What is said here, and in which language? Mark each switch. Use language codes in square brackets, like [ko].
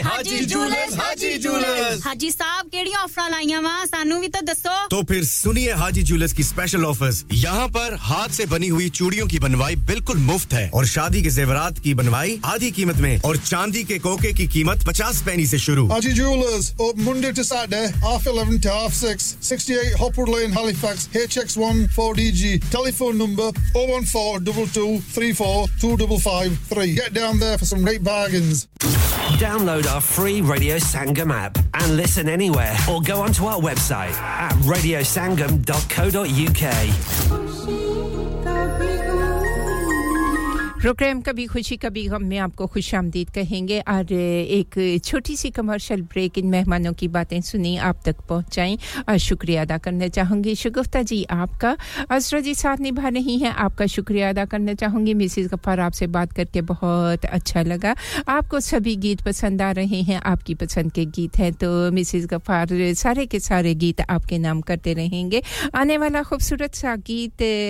[hi] हाजी jewellers हाजी jewellers [pa] हाजी साहब KD offer लाईया वा सानू भी तो दसो [hi] तो फिर सुनिए हाजी जूलर्स की स्पेशल ऑफर्स यहां पर हाथ से बनी हुई चूड़ियों की बनवाई बिल्कुल मुफ्त है और शादी के जेवरात की बनवाई आधी कीमत में और चांदी के कोके की कीमत 50 पैसे से शुरू [en] Haji jewellers open Monday to Saturday half 11 to half 6 68 Hopper in Halifax HX1 4DG telephone number 01422342553 get down there for some great bargains download our free Radio Sangam app and listen anywhere or go onto our website at radiosangam.co.uk [hi] programme कभी खुशी कभी गम में आपको खुशामदीद कहेंगे और एक छोटी सी commercial break in मेहमानों की बातें सुनी आप तक पहुंचाएं और शुक्रिया अदा करना चाहूंगी शगुफ्ता जी आपका असरा जी साथ निभा रही हैं आपका शुक्रिया अदा करना चाहूंगी मिसेस गफ्फार आपसे बात करके बहुत अच्छा लगा आपको सभी गीत पसंद आ रहे हैं आपकी पसंद के गीत हैं तो मिसेस गफ्फार सारे के सारे गीत आपके नाम करते रहेंगे आने वाला खूबसूरत सा गीत